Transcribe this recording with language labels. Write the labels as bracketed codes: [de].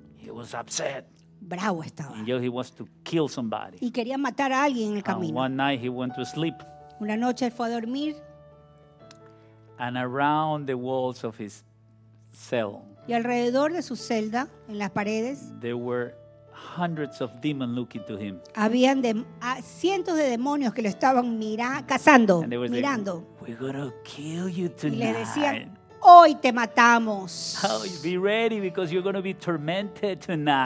[en] He was upset. [es] Bravo estaba. [en] And yet he wants to kill somebody. [es] Y quería matar a alguien en el camino. [en] And one night he went to sleep. [es] Una noche fue a dormir. [en] And around the walls of his cell. [es] Y alrededor de su celda, en las paredes. [en] There were hundreds of demons looking to him. [es] Habían cientos de demonios que lo estaban cazando, mirando. [en] We're gonna kill you tonight. [es] Y le decían, hoy te matamos. [en] Oh, be ready because you're gonna be tormented tonight.